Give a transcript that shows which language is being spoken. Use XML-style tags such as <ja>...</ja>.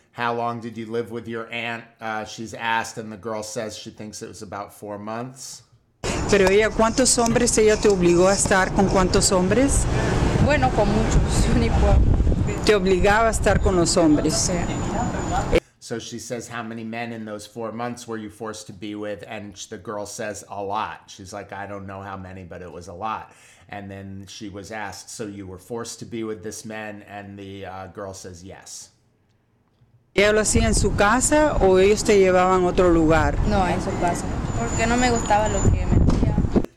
<en>How long did you live with your aunt? She's asked, and the girl says she thinks it was about 4 months.</en> <es>Pero ella, ¿cuántos hombres ella te obligó a estar con cuántos hombres? Bueno, con muchos. Te obligaba a estar con los hombres.</es> <en>So she says, how many men in those 4 months were you forced to be with? And the girl says, a lot. She's like, I don't know how many, but it was a lot. And then she was asked, so you were forced to be with this man? And the girl says, yes.</en> <es>¿Ella lo hacía en su casa o ellos te llevaban a otro lugar? No, en su casa. Porque no me gustaba lo que me decía.</es>